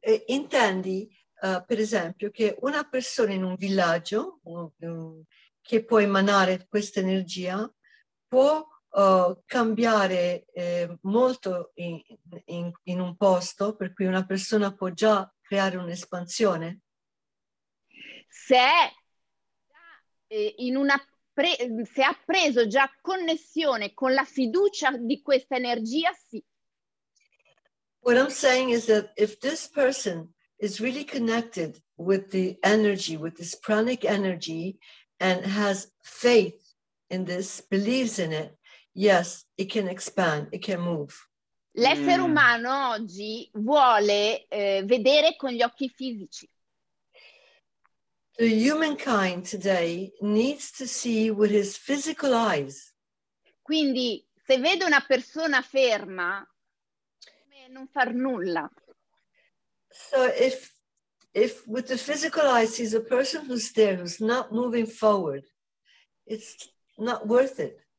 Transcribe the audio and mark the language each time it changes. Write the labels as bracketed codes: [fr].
[it] Intendi, per esempio, che una persona in un villaggio che può emanare questa energia può cambiare molto in un posto, per cui una persona può già creare un'espansione? Se ha preso già connessione con la fiducia di questa energia, sì. [en] What I'm saying is that if this person is really connected with the energy, with this pranic energy, and has faith in this, believes in it, yes, it can expand, it can move. [it] L'essere umano oggi vuole vedere con gli occhi fisici. [en] The humankind today needs to see with his physical eyes. [it] Quindi, se vede una persona ferma, non far nulla. [en] So if with the physical eyes is a person who's there who's not moving forward, it's not worth it.